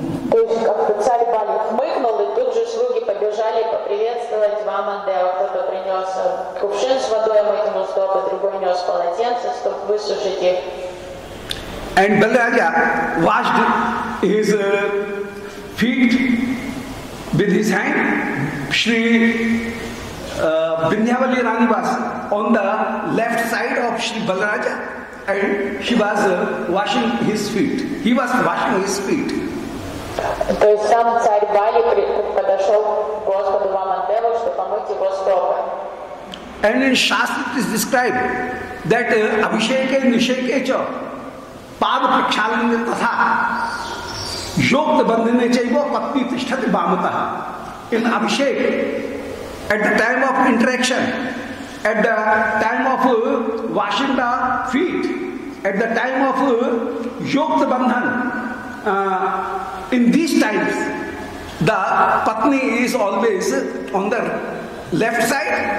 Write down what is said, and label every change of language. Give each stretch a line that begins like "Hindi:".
Russian: То есть, как царь Бали хмыкнул, и тут же слуги побежали поприветствовать Вамандева. Кто-то принес кувшин с водой, мыть ему стопы, другой нес полотенце, чтобы высушить их.
English: And Balaraja washed his feet with his hand. Shri Vrindavani Rani was on the left side of Shri Balaraja, and she was washing his feet. He was washing his feet.
Russian: То есть сам царь Бали подошел к Господу Вамандеву, чтобы помыть его стопы.
English: And in Shastra it is described that
Sanskrit: Abhisheke Nisheke Cha Pada Prakshalane Tatha Yogta Bandhane Chaiva Patni Tishthati Vamatah.
English: In Abhisheke, at the time of interaction, at the time of washing the feet, at the time of Yogta Bandhan, in these times, the Patni is always on the left side.